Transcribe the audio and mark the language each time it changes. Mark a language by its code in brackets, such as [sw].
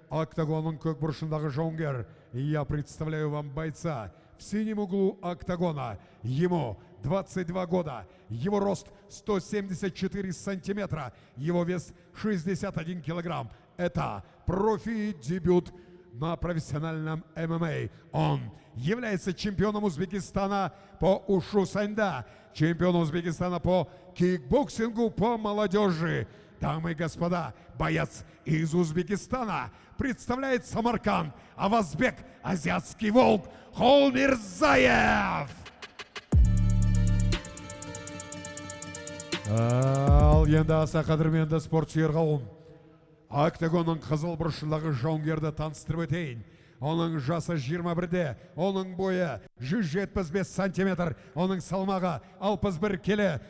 [kk] октагонның көк бұрышындағы жауынгер. [ru] Я представляю вам бойца в синем углу октагона. Ему 22 года. Его рост 174 сантиметра. Его вес 61 килограмм. Это профи-дебют на профессиональном ММА. Он является чемпионом Узбекистана по ушу сэнда, чемпионом Узбекистана по кикбоксингу по молодежи. Дамы и господа, боец из Узбекистана представляет Самарканд, а в Азбек – азиатский волк Холмирзаев! [kk] Ал енді аса қадырменді спорт сүйер қауым. Октагонның қызыл бұрышындағы жауынгерді таныстырып өтейін. Оның жасы 21-де, оның бойы 175 сантиметр, оның салмағы 61 келі.